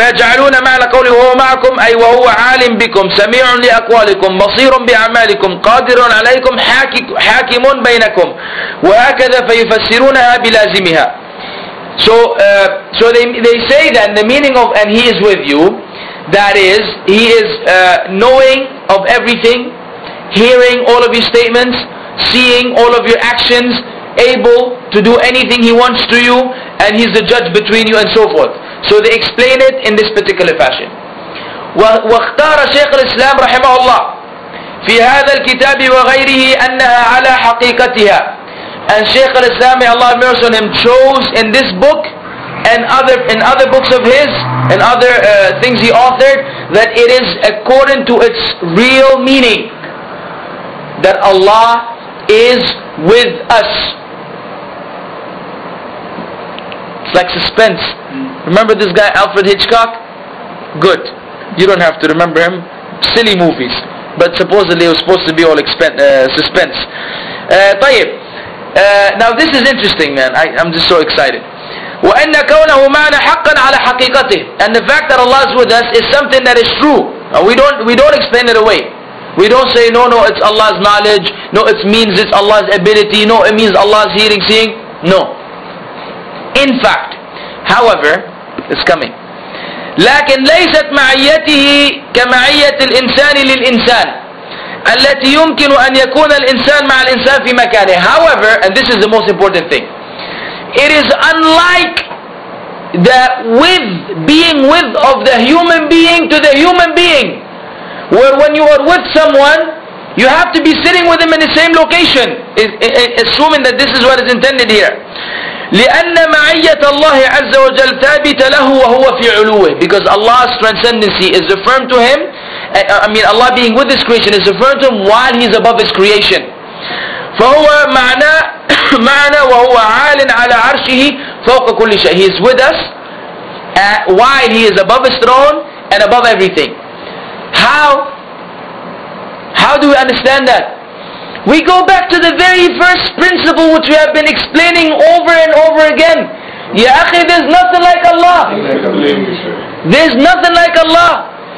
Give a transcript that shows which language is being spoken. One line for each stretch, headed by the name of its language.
Arabic: فيجعلون معنى قوله هو معكم أي وهو عالم بكم، سميع لأقوالكم، بصير بأعمالكم، قادر عليكم، حاكم بينكم، وهكذا فيفسرونها بلازمها.
English: So they say that the meaning of and he is with you, that is, he is knowing of everything, hearing all of your statements, seeing all of your actions, able to do anything he wants to you, and he's the judge between you and so forth. So they explain it in this particular fashion.
Arabic: واختار شيخ الإسلام رحمه الله في هذا الكتاب وغيره أنها على حقيقتها.
English: And Shaykh al-Islam, may Allah have mercy on him, chose in this book and other books of his and other things he authored that it is according to its real meaning, that Allah is with us. It's like suspense. Remember this guy Alfred Hitchcock? Good. You don't have to remember him. Silly movies. But supposedly it was supposed to be all suspense.
Arabic: طيب.
English: Now this is interesting, man. I'm just so excited.
Arabic: وَأَنَّ كَوْنَهُ مَعْنَا حَقًّا عَلَى حَقِيقَتِهِ.
English: And the fact that Allah is with us is something that is true. We don't explain it away. We don't say, no, it's Allah's knowledge. No, it means it's Allah's ability. No, it means Allah's hearing, seeing. No. In fact, however, it's coming.
Arabic: لَكِنْ لَيْسَتْ مَعِيَّتِهِ كَمَعِيَّةِ الْإِنسَانِ لِلْإِنسَانِ التي يمكن أن يكون الإنسان مع الإنسان في مكانه.
English: However, and this is the most important thing, it is unlike the with being with of the human being to the human being, where when you are with someone, you have to be sitting with him in the same location. Assuming that this is what is intended here.
Arabic: لأن معية الله عز وجل ثابتة له وهو في علوه.
English: Because Allah's transcendency is affirmed to him. I mean, Allah being with his creation is referring to him while he's above his creation.
Arabic: فهو معنى معنى وهو عال على عرشه فوق كل شيء.
English: He is with us while he is above his throne and above everything. How do we understand that? We go back to the very first principle which we have been explaining over and over again. Ya akhi, there's nothing like Allah. There's nothing like Allah.